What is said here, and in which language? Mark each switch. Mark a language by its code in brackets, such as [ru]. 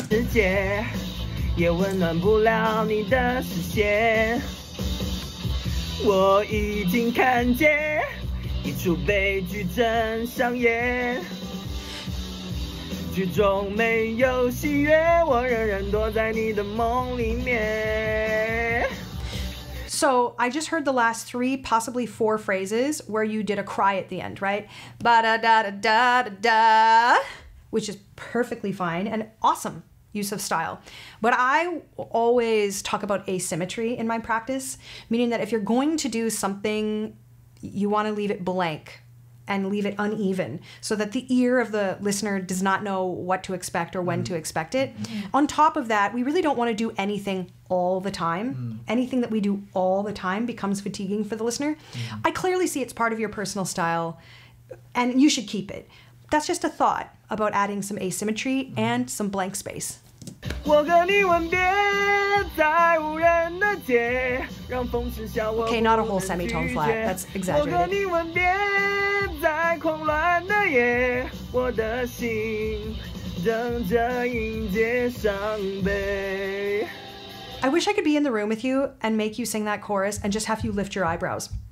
[zh] 世界也温暖不了你的视线，我已经看见一出悲剧正上演，剧中没有喜悦，我仍然躲在你的梦里面。 [en] So I just heard the last three, possibly four phrases where you did a cry at the end, right? Ba-da-da-da-da-da-da, which is perfectly fine and awesome use of style. But I always talk about asymmetry in my practice, meaning that if you're going to do something, you want to leave it blank and leave it uneven so that the ear of the listener does not know what to expect or when to expect it. Mm. On top of that, we really don't want to do anything all the time. Mm. Anything that we do all the time becomes fatiguing for the listener. Mm. I clearly see it's part of your personal style and you should keep it. That's just a thought about adding some asymmetry and some blank space. [zh] 我和你吻别在无人的街，让风痴笑我。 [en] Okay, not a whole semitone flat. That's exaggerated. [zh] 我和你吻别在狂乱的夜，我的心等着迎接伤悲。 [en] I wish I could be in the room with you and make you sing that chorus and just have you lift your eyebrows.